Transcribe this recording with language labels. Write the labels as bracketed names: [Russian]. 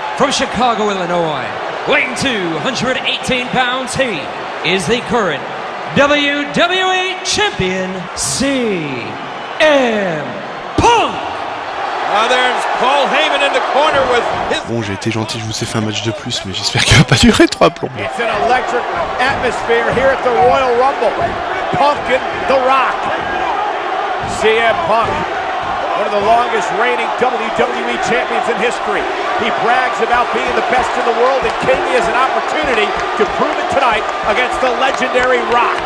[English] Chicago, Illinois, weighing 218 pounds, he is the current WWE Champion, CM Punk! Now there's Paul Heyman in the corner with his... [French] Bon, j'ai été gentil, je vous ai fait un match de plus, mais j'espère qu'il va pas durer trois plombs. [English] It's an electric atmosphere here at the Royal Rumble. Punk and The Rock. CM Punk, one of the longest reigning WWE champions in history. He brags about being the best in the world, and Kenny has an opportunity to prove it tonight against the legendary Rock.